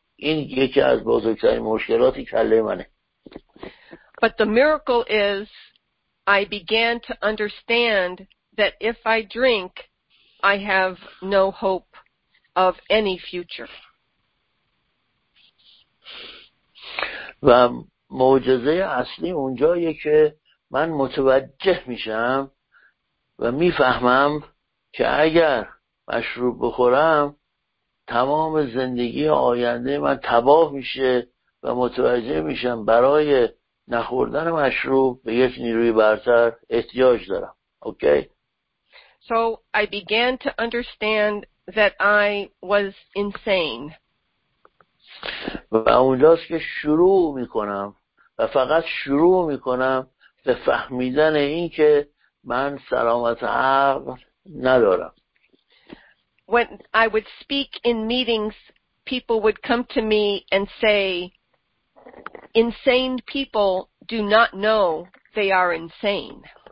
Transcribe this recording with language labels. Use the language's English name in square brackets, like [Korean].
[Persian] این یکی از بزرگترین مشکلاتی کله منه. [English] But the miracle is I began to understand that if I drink I have no hope of any future. [Persian] و معجزه اصلی اونجاییه که من متوجه میشم و میفهمم که اگر مشروب بخورم تمام زندگی آینده من تباه میشه و متوجه میشم برای نخوردن مشروب به یک نیروی برتر احتیاج دارم. اوکی؟ [English] So I began to understand that I was insane. [Persian] و اونجاست که شروع میکنم و فقط شروع میکنم به فهمیدن این که من سلامت عقل ندارم. [English] When I would speak in meetings, people would come to me and say, insane people do not know they are insane.